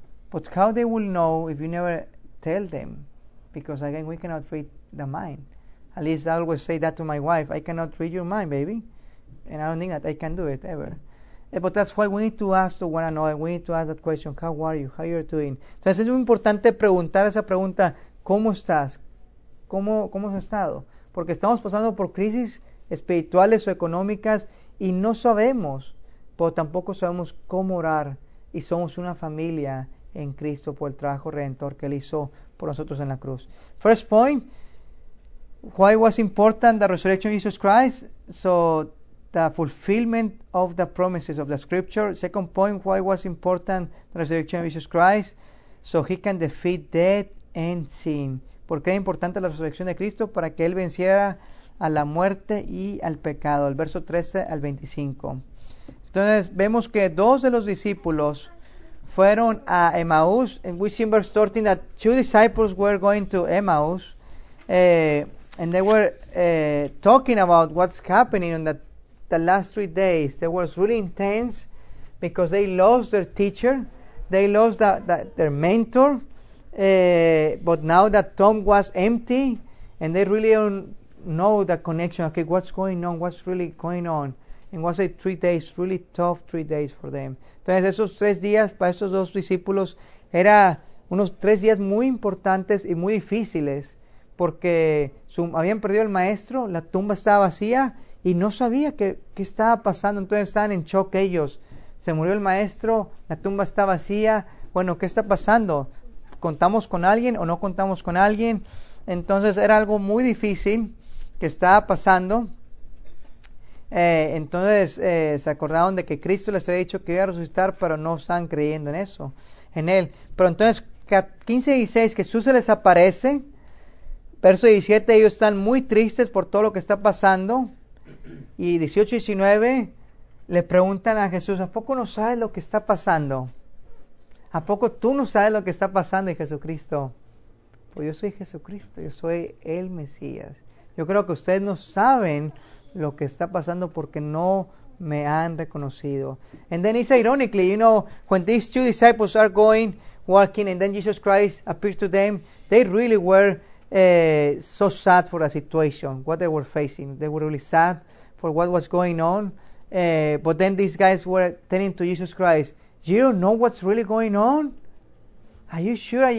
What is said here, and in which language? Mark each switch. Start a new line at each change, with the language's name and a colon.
English: But how they will know if you never tell them? Because again, we cannot read the mind. At least I always say that to my wife. I cannot read your mind, baby. And I don't think that I can do it ever. But that's why we need to ask to one another. We need to ask that question. How are you? How you're doing?
Spanish: Entonces es muy importante preguntar esa pregunta. ¿Cómo estás? ¿Cómo has estado? Porque estamos pasando por crisis espirituales o económicas y no sabemos, pero tampoco sabemos cómo orar. Y somos una familia en Cristo por el trabajo redentor que Él hizo por nosotros en la cruz.
English: First point, why was important the resurrection of Jesus Christ? So, the fulfillment of the promises of the scripture. Second point, why was important the resurrection of Jesus Christ? So He can defeat death and sin.
Spanish: ¿Por qué era importante la resurrección de Cristo? Para que Él venciera a la muerte y al pecado. El verso 13 al 25. Entonces, vemos que dos de los discípulos fueron a Emmaus.
English: And we see in verse 13 that two disciples were going to Emmaus. And they were talking about what's happening on the last 3 days. It was really intense because they lost their teacher. They lost their mentor. But now that tomb was empty, and they really don't know the connection. Okay, what's going on? What's really going on? And was it 3 days? Really tough 3 days for them.
Spanish: Entonces, esos 3 días para esos dos discípulos era unos 3 días muy importantes y muy difíciles, porque habían perdido el maestro, la tumba estaba vacía y no sabía qué estaba pasando. Entonces estaban en shock ellos. Se murió el maestro, la tumba está vacía. Bueno, ¿qué está pasando? ¿Contamos con alguien o no contamos con alguien? Entonces era algo muy difícil que estaba pasando. Entonces se acordaron de que Cristo les había dicho que iba a resucitar, pero no estaban creyendo en eso, en Él. Pero entonces 15 y 16, Jesús se les aparece. Verso 17, ellos están muy tristes por todo lo que está pasando. Y 18 y 19, le preguntan a Jesús, ¿a poco no sabes lo que está pasando? ¿A poco tú no sabes lo que está pasando? Y Jesucristo, pues yo soy Jesucristo, yo soy el Mesías. Yo creo que ustedes no saben lo que está pasando porque no me han reconocido.
English: And then it's ironically, you know, when these two disciples are going, walking, and then Jesus Christ appeared to them, they really were so sad for the situation, what they were facing. They were really sad for what was going on. But then these guys were telling to Jesus Christ, you don't know what's really going on? Are you sure?